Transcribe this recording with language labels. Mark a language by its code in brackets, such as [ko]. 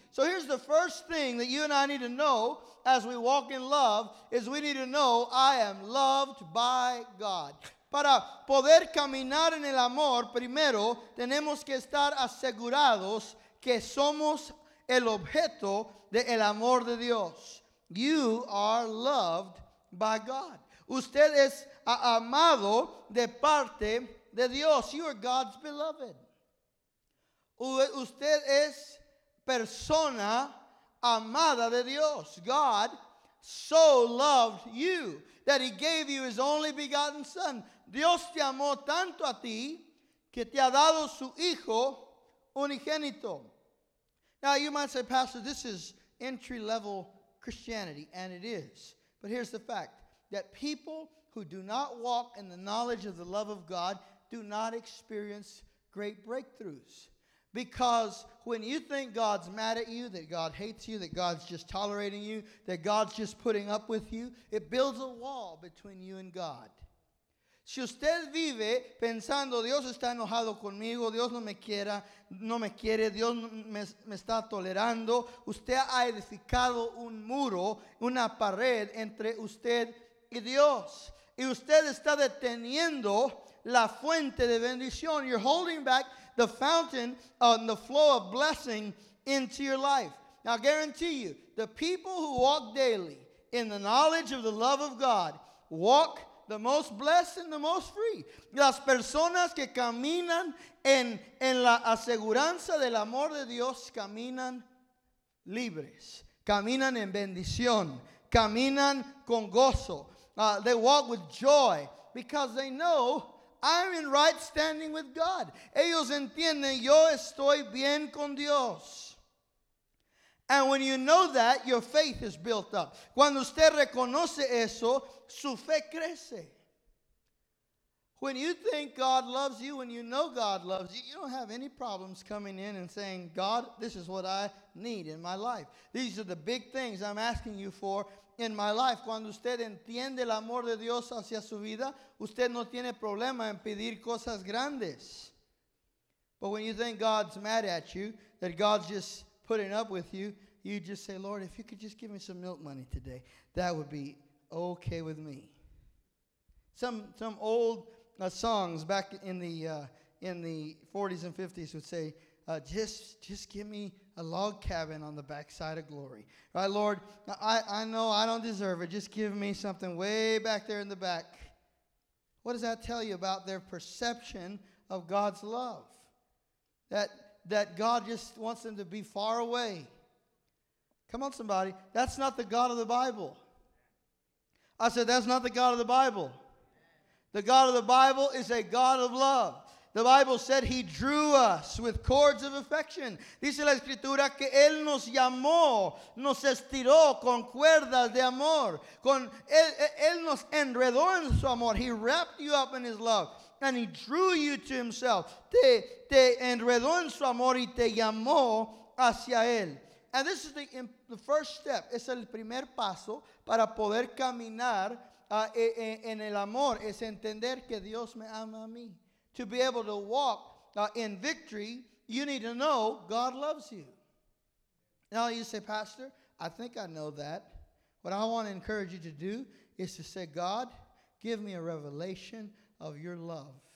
[en] So here's the first thing that you and I need to know as we walk in love, is we need to know, I am loved by God. [es] Para poder caminar en el amor, primero tenemos que estar asegurados que somos el objeto de el amor de Dios. [en] You are loved by God. [es] Usted es amado de parte de Dios. [en] You are God's beloved. [es] Usted es persona amada de Dios. [en] God so loved you that he gave you his only begotten Son. [es] Dios te amó tanto a ti que te ha dado su Hijo unigénito. [en] Now you might say, Pastor, this is entry-level Christianity, and it is. But here's the fact, that people who do not walk in the knowledge of the love of God do not experience great breakthroughs. Because when you think God's mad at you, that God hates you, that God's just tolerating you, that God's just putting up with you, it builds a wall between you and God. [es] Si usted vive pensando, Dios está enojado conmigo, Dios no me quiera, no me quiere, Dios me está tolerando, usted ha edificado un muro, una pared entre usted y Dios. Y usted está deteniendo la fuente de bendición. [en] You're holding back the fountain and the flow of blessing into your life. Now, I guarantee you, the people who walk daily in the knowledge of the love of God walk the most blessed and the most free. [es] Las personas que caminan en la aseguranza del amor de Dios caminan libres. Caminan en bendición. Caminan con gozo. [en] They walk with joy because they know I'm in right standing with God. [es] Ellos entienden, yo estoy bien con Dios. [en] And when you know that, your faith is built up. [es] Cuando usted reconoce eso, su fe crece. [en] When you think God loves you, when you know God loves you, you don't have any problems coming in and saying, God, this is what I need in my life. These are the big things I'm asking you for in my life. [es] Cuando usted entiende el amor de Dios hacia su vida, usted no tiene problema en pedir cosas grandes. [en] But when you think God's mad at you, that God's just putting up with you, you just say, Lord, if you could just give me some milk money today, that would be okay with me. Some old songs back in the 40s and 50s would say, just give me a log cabin on the backside of glory. Right, Lord, I know I don't deserve it. Just give me something way back there in the back. What does that tell you about their perception of God's love? That God just wants them to be far away. Come on, somebody. That's not the God of the Bible. I said, that's not the God of the Bible. The God of the Bible is a God of love. The Bible said he drew us with cords of affection. [es] Dice la escritura que él nos llamó, nos estiró con cuerdas de amor. Él nos enredó en su amor. [en] He wrapped you up in his love. And he drew you to himself. [es] Te enredó en su amor y te llamó hacia él. [en] And this is the first step. [es] Es el primer paso para poder caminar en el amor. Es entender que Dios me ama a mí. [en] To be able to walk in victory, you need to know God loves you. Now you say, Pastor, I think I know that. What I want to encourage you to do is to say, God, give me a revelation of your love.